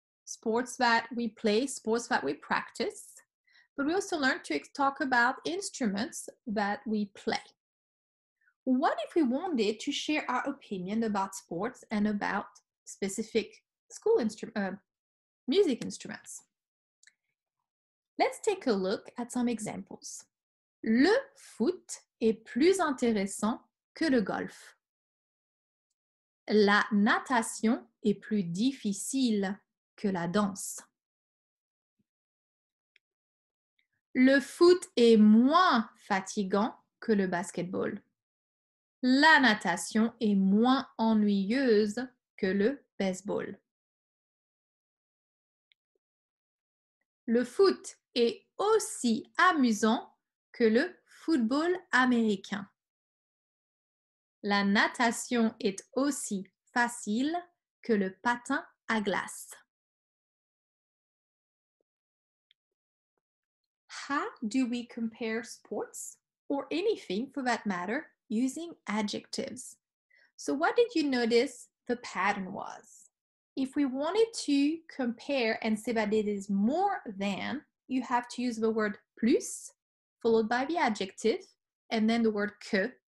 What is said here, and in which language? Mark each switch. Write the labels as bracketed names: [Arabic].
[English] Sports that we play, sports that we practice. But we also learned to talk about instruments that we play. What if we wanted to share our opinion about sports and about specific school music instruments? Let's take a look at some examples. [French] Le foot est plus intéressant que le golf. La natation est plus difficile que la danse. Le foot est moins fatigant que le basketball. La natation est moins ennuyeuse que le baseball. Le foot est aussi amusant que le football américain. La natation est aussi facile que le patin à glace. [English] How do we compare sports, or anything for that matter, using adjectives? So what did you notice the pattern was? If we wanted to compare and say that it is more than, you have to use the word plus, followed by the adjective, and then the word que.